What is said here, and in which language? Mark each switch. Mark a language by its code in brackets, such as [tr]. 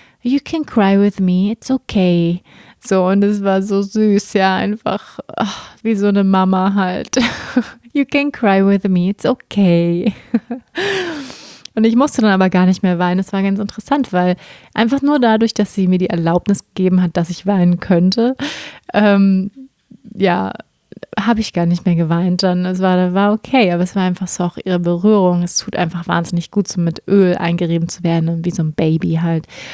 [en] You can cry with me, it's okay. [de] So, und es war so süß, ja, einfach ach, wie so eine Mama halt. [en] You can cry with me, it's okay. [de] Und ich musste dann aber gar nicht mehr weinen. Es war ganz interessant, weil einfach nur dadurch, dass sie mir die Erlaubnis gegeben hat, dass ich weinen könnte, ja, habe ich gar nicht mehr geweint. Dann war okay, aber es war einfach so auch ihre Berührung. Es tut einfach wahnsinnig gut, so mit Öl eingerieben zu werden, wie so ein Baby halt.